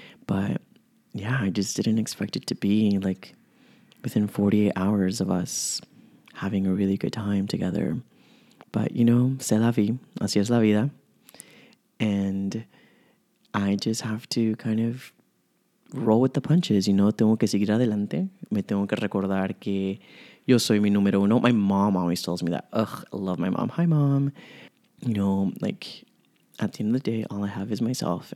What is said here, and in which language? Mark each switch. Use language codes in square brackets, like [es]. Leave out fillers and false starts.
[en] But yeah, I just didn't expect it to be, like, within 48 hours of us having a really good time together. But, you know, c'est la vie. Así es la vida. And I just have to kind of roll with the punches, you know? [es] Tengo que seguir adelante. Me tengo que recordar que yo soy mi número uno. [en] My mom always tells me that. Ugh, I love my mom. Hi, mom. You know, like, at the end of the day, all I have is myself.